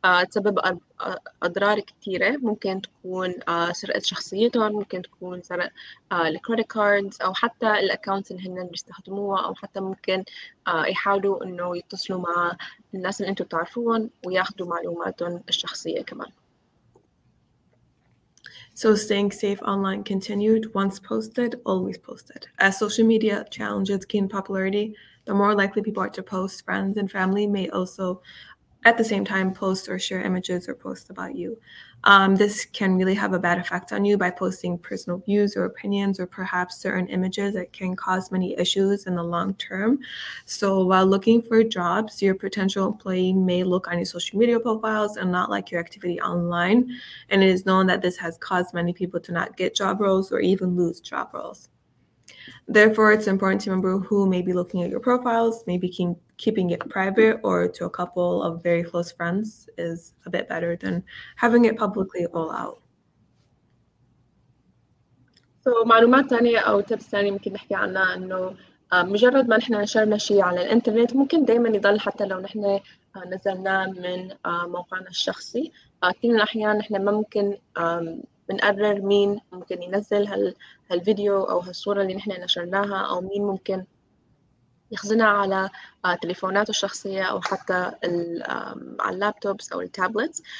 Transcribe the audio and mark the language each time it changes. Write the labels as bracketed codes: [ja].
[ar] تسبب أضرار كثيرة، ممكن تكون سرقة شخصيته، ممكن تكون سرقة الكريدت كاردز أو حتى الأكاونت اللي هن بيستخدموها، أو حتى ممكن يحاولوا إنه يتصلوا مع الناس اللي أنتوا تعرفوهم وياخدوا معلوماتهم الشخصية كمان. [en] So staying safe online continued, once posted, always posted. As social media challenges gain popularity, the more likely people are to post, friends and family may also at the same time post or share images or posts about you. This can really have a bad effect on you by posting personal views or opinions or perhaps certain images that can cause many issues in the long term. So while looking for jobs, your potential employee may look on your social media profiles and not like your activity online. And it is known that this has caused many people to not get job roles or even lose job roles. Therefore, it's important to remember who may be looking at your profiles, maybe keeping it private or to a couple of very close friends is a bit better than having it publicly all out. [ar] So, معلومات تانية أو tips تانية ممكن نحكي عنها، إنه مجرد ما نحن نشرنا شيء على الإنترنت ممكن دائما يضل، حتى لو نحن نزلنا من موقعنا الشخصي. كثير من الأحيان نحن ما ممكن بنقرر مين ممكن ينزل هالفيديو أو هالصورة اللي نحن نشرناها، أو مين ممكن يخزنها على تليفوناته الشخصية أو حتى على اللابتوبس أو التابلتس.